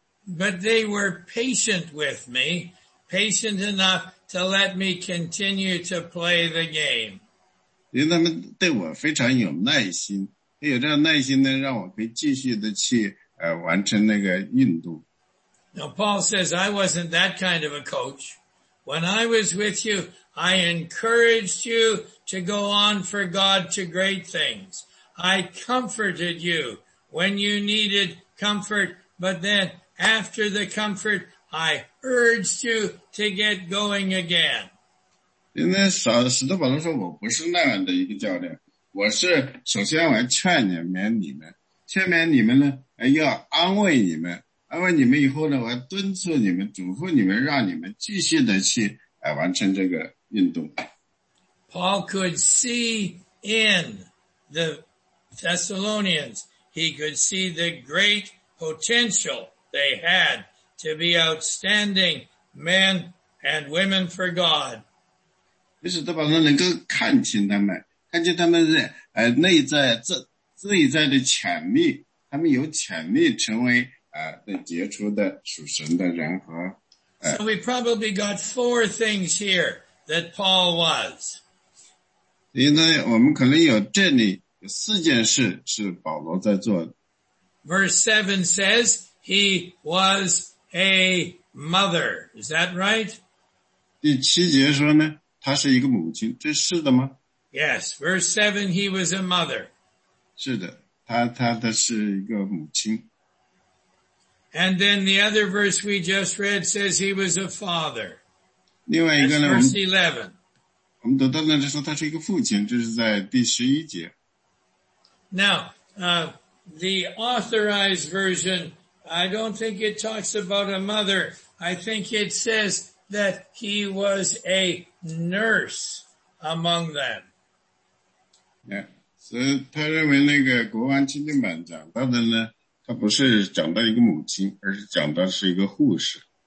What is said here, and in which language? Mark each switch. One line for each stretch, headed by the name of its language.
English: But they were patient with me, patient enough to let me continue to play the game.
Chinese: 因为他们对我非常有耐心，有这样耐心呢，让我可以继续的去完成那个运动。
English: Now Paul says, I wasn't that kind of a coach. When I was with you, I encouraged you to go on for God to great things. I comforted you when you needed comfort, but then after the comfort, I urged you to get going again.
Chinese: 因为使徒保罗说我不是那样的一个教练，我是首先我劝勉你们，劝勉你们呢，要安慰你们。安慰你们以后呢，我要敦促你们，嘱咐你们，让你们继续的去完成这个运动。
English: Paul could see in the Thessalonians, he could see the great potential they had to be outstanding men and women for God.
Chinese: 于是他把他能够看清他们，看清他们的内在内在的潜力，他们有潜力成为。杰出的属神的人和,
English: So we probably got four things here that Paul was.
Chinese: 因为我们可能有这里有四件事是保罗在做的。
English: Verse 7 says he was a mother. Is that right?
Chinese: 第七节说呢，他是一个母亲，这是的吗？
English: Yes, verse 7, he was a mother.
Chinese: 是的，他是一个母亲。
English: And then the other verse we just read says he was a father.
Chinese: 另外一个呢,
English: That's verse 11.
Chinese: 我们读到呢就说他是一个父亲，这是在第十一节。
English: Now, the authorized version, I don't think it talks about a mother. I think it says that he was a nurse among them. Yeah.
Chinese: 所以他认为那个国王钦定版讲到的呢他不是讲到一个母亲，而是讲到是一个护士。